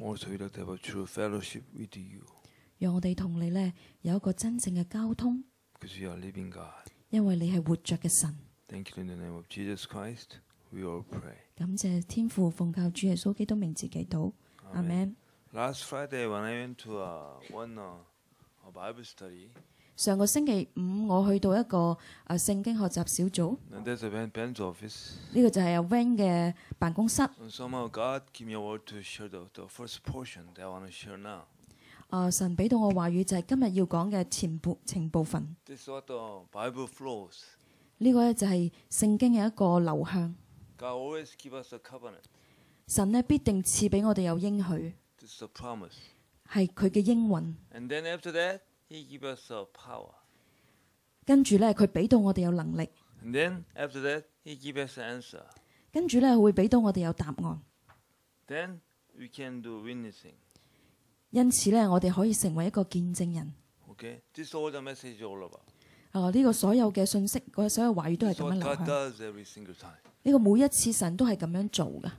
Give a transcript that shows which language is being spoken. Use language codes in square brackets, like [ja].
[en] Also, we have a true fellowship with you. [yue] 让我哋同你咧有一个真正嘅交通。 [en] Because you are living God. [yue] 因为你系活着嘅神。 [en] Thank you in the name of Jesus Christ. We all pray. [yue] 感谢天父，奉靠主耶稣基督名字祈祷。 [en] Amen. Last Friday, when I went to a Bible study, [yue] 上个星期五我去到一个圣经学习小组。 [en] That's a Ben's office. [yue] 呢个就系阿 Ben 嘅办公室。 [en] Somehow God gave me a word to share the first portion that I want to share now. [yue] 神俾到我话语就系今日要讲嘅前部分。 [en] This is what the Bible flows. [yue] 呢个咧就系圣经嘅一个流向。 [en] God always gives us a covenant. [yue] 神咧必定赐俾我哋有应许。 [en] It's a promise. [yue] 系佢嘅应允。 [en] And then after that, he gives us a power. [yue] 跟住咧，佢俾到我哋有能力。 [en] And then after that, he gives us an answer. [yue] 跟住咧，会俾到我哋有答案。 [en] Then we can do witnessing. [yue] 因此咧，我哋可以成为一个见证人。 [en] Okay, this is all the message all about. [yue] 呢个所有嘅信息，所有话语都系咁样流向。 [en] What God does every single time. [yue] 呢个每一次神都系咁样做噶。